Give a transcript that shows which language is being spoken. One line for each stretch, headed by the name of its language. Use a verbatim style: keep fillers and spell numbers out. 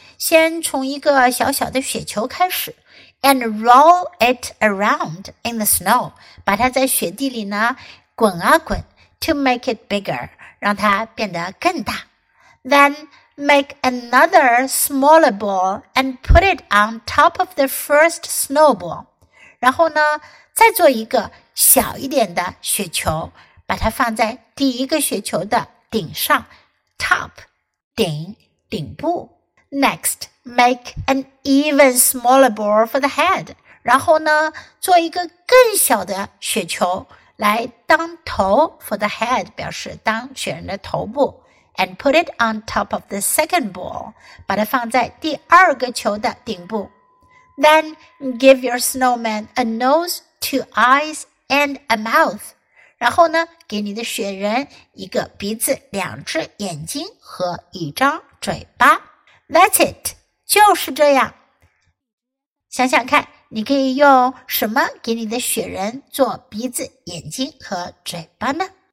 Chinese: 先从一个小小的雪球开始
English: and roll it around in the snow.
Chinese: 把它在雪地里呢滚啊滚
English: to make it bigger.
Chinese: 让它变得更大。
English: Then make another smaller ball and put it on top of the first snowball.
Chinese: 然后呢，再做一个小一点的雪球，把它放在第一个雪球的顶上 top 顶顶部。
English: Next, make an even smaller ball for the head.
Chinese: 然后呢，做一个更小的雪球来当头
English: for the head
Chinese: 表示当雪人的头部
English: and put it on top of the second ball.
Chinese: 把它放在第二个球的顶部。
English: Then give your snowman a nose, two eyes, and a mouth.
Chinese: 然后呢，给你的雪人一个鼻子、两只眼睛和一张嘴巴。
English: That's it.
Chinese: 就是这样。想想看，你可以用什么给你的雪人做鼻子、眼睛和嘴巴呢？